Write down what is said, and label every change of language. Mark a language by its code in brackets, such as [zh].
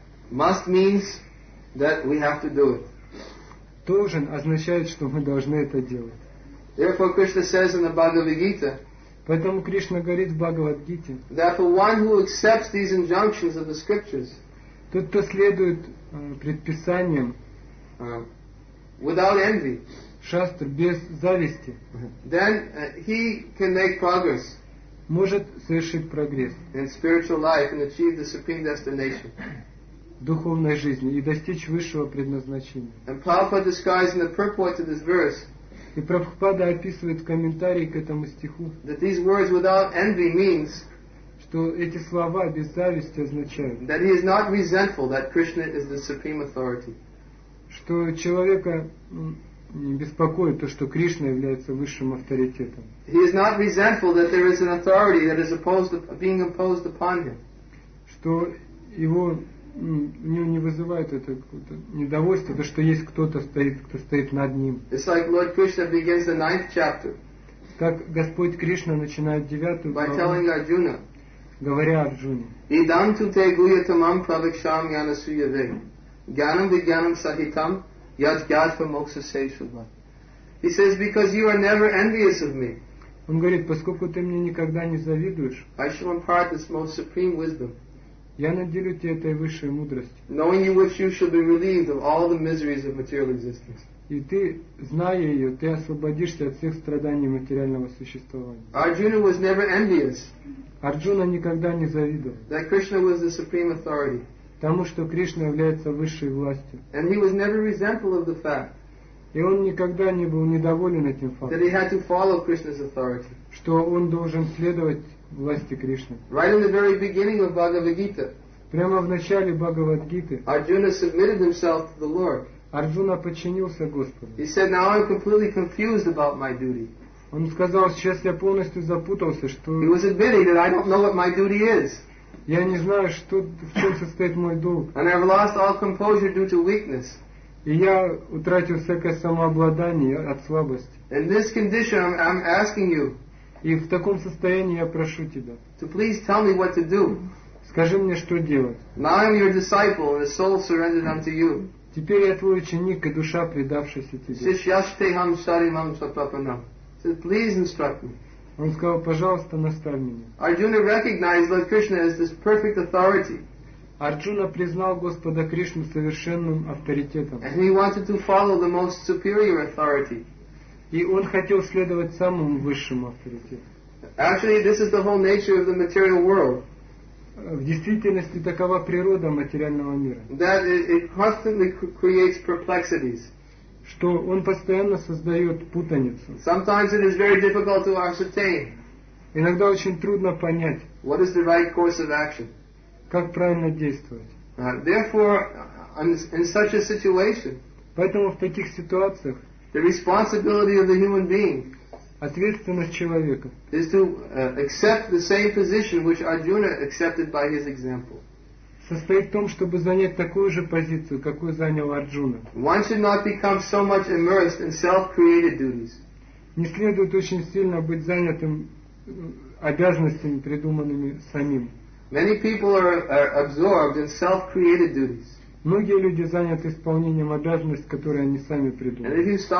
[en] Must means that we have to do it. [ru] Должен означает, что мы должны это делать. [en] Therefore, Krishna says in the Bhagavad Gita. [ru] Поэтому Кришна говорит в Бхагавад-гите. [en] That for one who accepts these injunctions of the scriptures. [ru] Тот, кто следует предписаниям. [en] Without envy. [ru] Шастр без зависти. [en] Then he can make progress. [ru] Может совершить прогресс. [en] In spiritual life and achieve the supreme destination. [ru] В духовной жизни и достичь высшего предназначения. [en] And Prabhupada describes in the purport to this verse. [ru] И Прабхупада описывает в комментарии к этому стиху, [en] that these words without envy means, [ru] что эти слова без зависти означают, [en] that he is not resentful that Krishna is the supreme authority. [ru] Что человека не беспокоит то, что Кришна является высшим авторитетом. [en] He is not resentful that there is an authority that is opposed, being imposed upon him. [ru] Что его у него не вызывает это какое-то недовольство, то, что есть кто-то стоит, кто стоит над ним. [en] It's like Lord Krishna begins the ninth chapter. [ru] Так Господь Кришна начинает девятую главу. [en] By telling Arjuna. [ru] Говоря Арджуне. [sa] Идам ту те гуятамам правикшам янасуяве. Гянам вигянам сахитам ядгядфа моксасейшудва. [en] He says, because you are never envious of me. [ru] Он говорит, поскольку ты мне никогда не завидуешь. [en] I shall impart this most supreme wisdom. [ru] Я наделю тебя этой высшей мудростью. [en] Knowing you wish you should be relieved of all the miseries of material existence. [ru] И ты, зная ее, ты освободишься от всех страданий материального существования. [en] Arjuna was never envious. [ru] Арджуна никогда не завидовал. [en] That Krishna was the supreme authority. [ru] Тому, что Кришна является высшей властью. [en] And he was never resentful of the fact. [ru] И он никогда не был недоволен этим фактом. [en] That he had to follow Krishna's authority. [ru] Что он должен следовать власти Кришны. [en] Right in the very beginning of Bhagavad Gita. [ru] Прямо в начале Бхагавад Гиты. [en] Arjuna submitted himself to the Lord. [ru] Арджуна подчинился Господу. [en] He said, "Now I'm completely confused about my duty." [ru] Он сказал, сейчас я полностью запутался, что. [en] He was admitting that I don't know what my duty is. [ru] Я не знаю, что в чем состоит мой долг. [en] And I've lost all composure due to weakness. [ru] И я утратил всякое самообладание от слабости. [en] In this condition, I'm asking you. [ru] И в таком состоянии я прошу тебя. [en] To please tell me what to do. [ru] Скажи мне, что делать. [en] Now I'm your disciple, the soul surrendered unto you. [ru] Теперь я твой ученик и душа, предавшаяся тебе. [sa] Сишьяштехам шаримам сапрапанам. [en] So please instruct me. [ru] Он сказал, пожалуйста, наставь меня. [en] Arjuna recognized Lord Krishna as this perfect authority. [ru] Арджуна признал Господа Кришну совершенным авторитетом. [en] And he wanted to follow the most superior authority. [ru] И он хотел следовать самому высшему авторитету. [en] Actually, this is the whole nature of the material world. [ru] В действительности такова природа материального мира. [en] That it constantly creates perplexities. [ru] Что он постоянно создает путаницу. [en] Sometimes it is very difficult to ascertain. [ru] Иногда очень трудно понять. [en] What is the right course of action? [ru] Как правильно действовать? [en] Therefore, in such a situation. [ru] Поэтому в таких ситуациях. [en] The responsibility of the human being [ru] ответственность человека [en] is to accept the same position which Arjuna accepted by his example. [ru] Состоит в том, чтобы занять такую же позицию, какую занял Арджуна. [en] One should not become so much immersed in self-created duties. [ru] Не следует очень сильно быть занятым обязанностями, придуманными самим. [en] Many people are absorbed in self-created duties. [ru] Многие люди заняты исполнением обязанностей, которые они сами придумали.